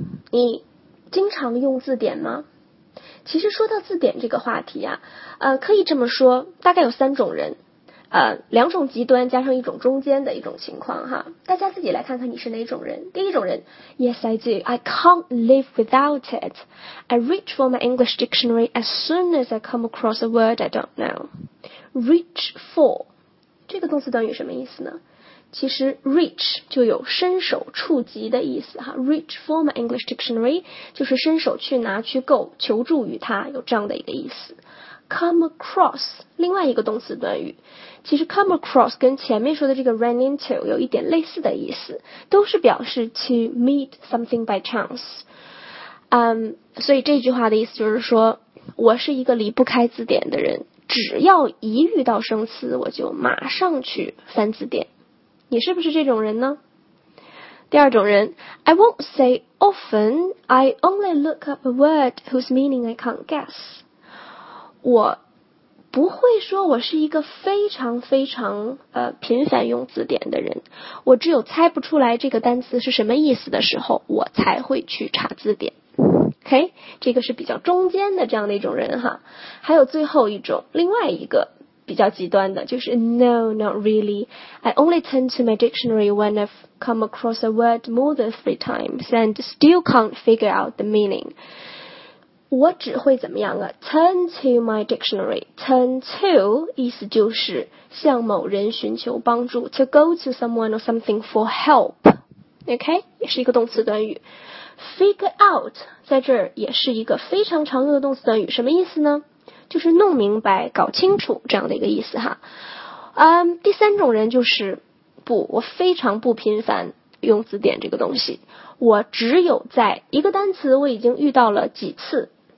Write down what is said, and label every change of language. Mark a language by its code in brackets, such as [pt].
[zh] 你经常用字典吗？其实说到字典这个话题啊，可以这么说，大概有三种人，两种极端加上一种中间的一种情况哈，大家自己来看看你是哪种人。第一种人 [en] ，Yes, I do. I can't live without it. I reach for my English dictionary as soon as I come across a word I don't know. [zh] Reach for 这个动词短语什么意思呢？其实 reach 就有伸手触及的意思哈。 Reach for my English dictionary 就是伸手去拿去够求助于它，有这样的一个意思。 Come across 另外一个动词短语，其实 come across 跟前面说的这个 run into 有一点类似的意思，都是表示 [en] to meet something by chance。 [zh] 所以这句话的意思就是说，我是一个离不开字典的人，只要一遇到生词，我就马上去翻字典。你是不是这种人呢？第二种人 [en] ，I won't say often. I only look up a word whose meaning I can't guess. [zh] 我不会说我是一个非常非常频繁用字典的人，我只有猜不出来这个单词是什么意思的时候，我才会去查字典。 OK， 这个是比较中间的这样的一种人哈。还有最后一种，另外一个比较极端的，就是 [en] No, not really. I only turn to my dictionary when I've come across a word more than 3 times and still can't figure out the meaning. [zh] 我只会怎么样啊 ？ [en] Turn to my dictionary. [zh] Turn to 意思就是向某人寻求帮助 ， [en] to go to someone or something for help. [zh] OK， 也是一个动词短语。Figure out 在这儿也是一个非常常用的动词短语，什么意思呢？就是弄明白、搞清楚这样的一个意思哈。第三种人就是不，我非常不频繁用字典这个东西，我只有在一个单词我已经遇到了几次。